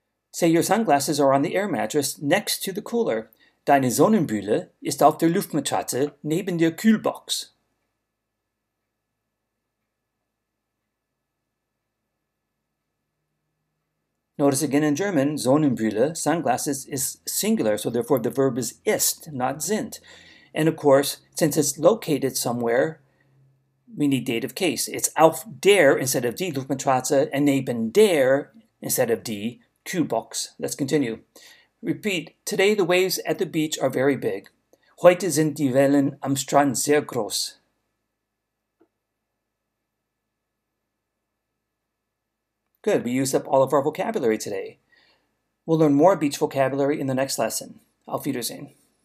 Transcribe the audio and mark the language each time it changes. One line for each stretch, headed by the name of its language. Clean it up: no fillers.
English: Say your sunglasses are on the air mattress next to the cooler.
German: Deine Sonnenbrille ist auf der Luftmatratze neben der Kühlbox.
English: Notice again in German, Sonnenbrille, sunglasses, is singular, so therefore the verb is ist, not sind. And of course, since it's located somewhere, we need dative case. It's auf der instead of die Luftmatratze and neben der instead of die Kühlbox. Let's continue. Repeat, today the waves at the beach are very big.
German: Heute sind die Wellen am Strand sehr groß.
English: Good, we used up all of our vocabulary today. We'll learn more beach vocabulary in the next lesson.
German: Auf Wiedersehen.